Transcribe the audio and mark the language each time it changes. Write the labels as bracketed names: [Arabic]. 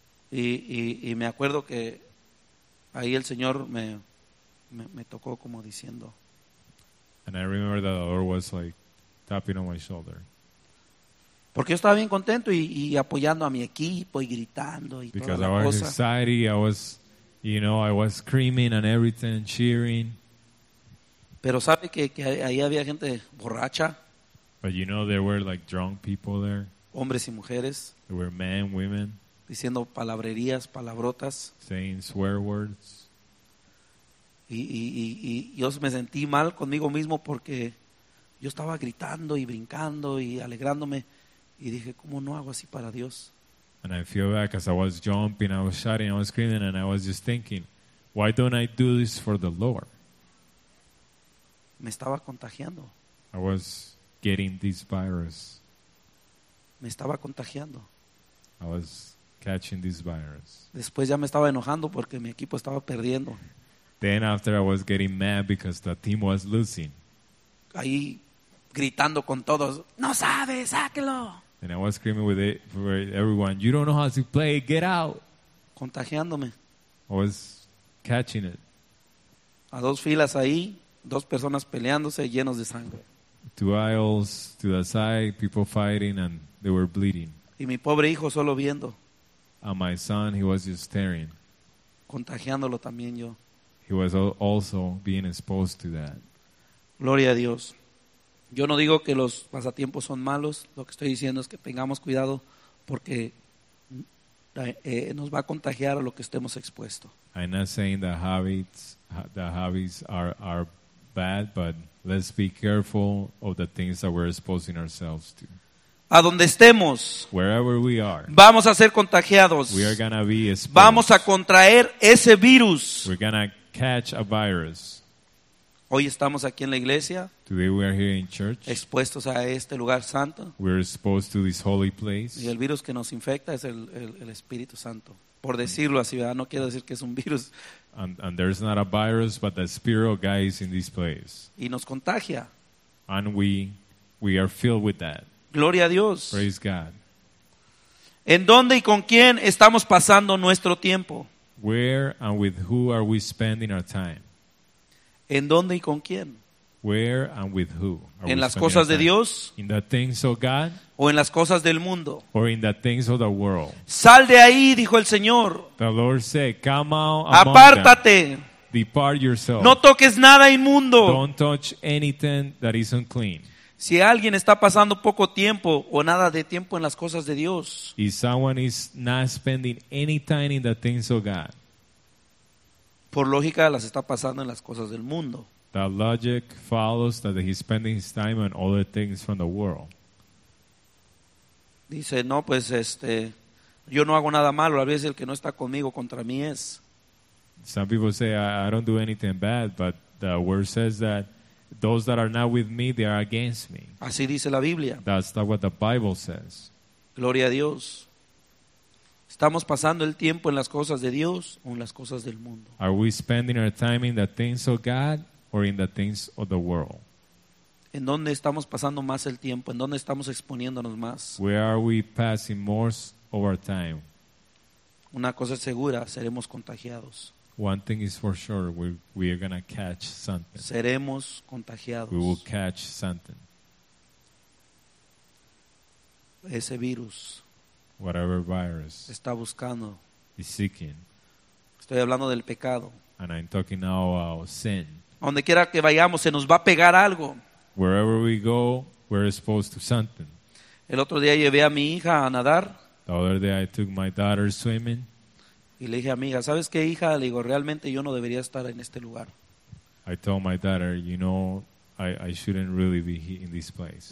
[Spanish] Y me acuerdo que ahí el Señor me tocó como diciendo. [English] And I remember that the Lord was like tapping on my shoulder. [Spanish] Porque yo estaba bien contento y apoyando a mi equipo y gritando y [English] Because [Spanish] toda la cosa. [English] Because I was excited, I was, you know, I was screaming and everything, cheering. [Spanish] Pero sabe que ahí había gente borracha. [English] But you know there were like drunk people there. [Spanish] Hombres y mujeres. [English] There were men, women. [Spanish] Diciendo palabrerías, palabrotas. [English] Saying swear words. [Spanish] Y yo me sentí mal conmigo mismo porque yo estaba gritando y brincando y alegrándome. Y dije, ¿cómo no hago así para Dios? [English] And I feel bad because I was jumping, I was shouting, I was screaming, and I was just thinking, why don't I do this for the Lord? [Spanish] Me estaba contagiando. [English] I was getting this virus. [Spanish] Me estaba contagiando. [English] I was catching this virus. [Spanish] Después ya me estaba enojando porque mi equipo estaba perdiendo. [English] Then after I was getting mad because the team was losing. [Spanish] Ahí gritando con todos, no sabes, sáquelo. [English] And I was screaming with it for everyone, you don't know how to play, get out. [Spanish] Contagiándome. [English] I was catching it. [Spanish] A dos filas ahí, dos personas peleándose llenos de sangre. [English] Two aisles to the side, people fighting and they were bleeding. [Spanish] Y mi pobre hijo solo viendo. [English] And my son, he was just staring. [Spanish] Contagiándolo también yo. [English] He was also being exposed to that. [Spanish] Gloria a Dios. Yo no digo que los pasatiempos son malos. Lo que estoy diciendo es que tengamos cuidado porque nos va a contagiar a lo que estemos expuestos. [English] I'm not saying that the habits are bad, but let's be careful of the things that we're exposing ourselves to. [Spanish] A donde estemos, [English] wherever we are, [Spanish] vamos a ser contagiados. [English] We are gonna be exposed. [Spanish] Vamos a contraer ese virus. [English] We're gonna catch a virus. [Spanish] Hoy estamos aquí en la iglesia. [English] Today we are here in church. [Spanish] Expuestos a este lugar santo. [English] We're exposed to this holy place. [Spanish] Y el virus que nos infecta es el Espíritu Santo. Por decirlo así, ¿verdad? No quiero decir que es un virus. [English] And there's not a virus, but the Spirit of God is in this place. [Spanish] Y nos contagia. [English] And we are filled with that. [Spanish] Gloria a Dios. [English] Praise God. [Spanish] ¿En dónde y con quién estamos pasando nuestro tiempo? [English] Where and with who are we spending our time? [Spanish] ¿En dónde y con quién? [English] Where and with who? [Spanish] ¿En las cosas de Dios? [English] In the things of God? [Spanish] ¿O en las cosas del mundo? [English] Or in the things of the world? [Spanish] Sal de ahí, dijo el Señor. [English] The Lord said, come out. [Spanish] Apártate. [English] Depart yourself. [Spanish] No toques nada inmundo. [English] Don't touch anything that is unclean. [Spanish] Si alguien está pasando poco tiempo o nada de tiempo en las cosas de Dios. [English] If someone is not spending any time in the things of God. [Spanish] Por lógica, las está pasando en las cosas del mundo. [English] The logic follows that he's spending his time on all the things from the world. [Spanish] Dice, no, pues yo no hago nada malo. A veces el que no está conmigo contra mí es. [English] Some people say, I don't do anything bad, but the word says that those that are not with me, they are against me. [Spanish] Así dice la Biblia. [English] That's not what the Bible says. [Spanish] Gloria a Dios. ¿Estamos pasando el tiempo en las cosas de Dios o en las cosas del mundo? [English] Are we spending our time in the things of God or in the things of the world? [Spanish] ¿En dónde estamos pasando más el tiempo? ¿En dónde estamos exponiéndonos más? [English] Where are we passing most of our time? [Spanish] Una cosa es segura, seremos contagiados. [English] One thing is for sure, we are going to catch something. [Spanish] Seremos contagiados. [English] We will catch something. [Spanish] Ese virus. [English] Whatever virus. [Spanish] Está buscando. [English] Is seeking. [Spanish] Estoy hablando del pecado. [English] And I'm talking now about sin. [Spanish] Donde quiera que vayamos, se nos va a pegar algo. [English] Wherever we go, we're exposed to something. [Spanish] El otro día llevé a mi hija a nadar. [English] The other day I took my daughter swimming. [Spanish] Y le dije a mi hija, ¿sabes qué, hija? Le digo, realmente yo no debería estar en este lugar. [English] I told my daughter, you know, I shouldn't really be here in this place.